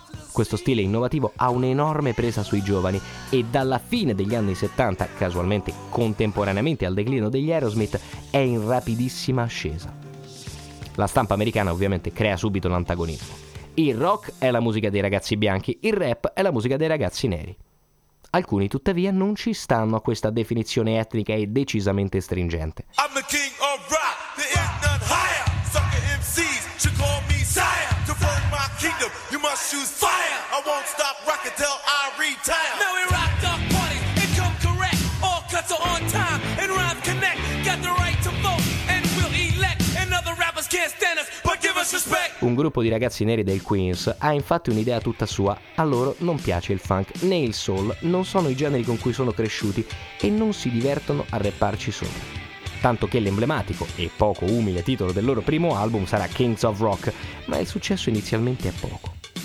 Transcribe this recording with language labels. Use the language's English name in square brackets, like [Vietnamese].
[Italian] Questo stile innovativo ha un'enorme presa sui giovani e dalla fine degli anni 70, casualmente contemporaneamente al declino degli Aerosmith, è in rapidissima ascesa. La stampa americana ovviamente crea subito l'antagonismo. Il rock è la musica dei ragazzi bianchi, il rap è la musica dei ragazzi neri. Alcuni tuttavia non ci stanno a questa definizione etnica e decisamente stringente. [English] I'm the king of rock, there ain't none higher. Sucker MCs should call me sire. To burn my kingdom, you must choose fire. I won't stop rocking till I retire. Now we rock the party and come correct. All cuts are on time and rhyme connect. Got the right to vote and we'll elect. And other rappers can't stand us, but give us respect. [Italian] Un gruppo di ragazzi neri del Queens ha infatti un'idea tutta sua. A loro non piace il funk né il soul, non sono i generi con cui sono cresciuti e non si divertono a rapparci sopra. Tanto che l'emblematico e poco umile titolo del loro primo album sarà Kings of Rock, ma il successo inizialmente è poco.